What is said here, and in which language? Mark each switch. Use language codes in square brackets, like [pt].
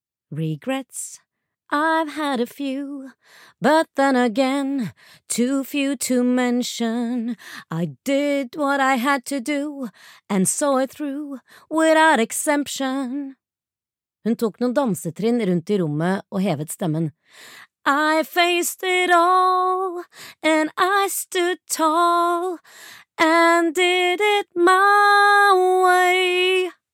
[en] Regrets, I've had a few, but then again, too few to mention. I did what I had to do, and saw it through, without exemption. [no] Hun tok noen dansetrinn rundt I rommet og hevet stemmen. [en] I faced it all, and I stood tall, and did it my way.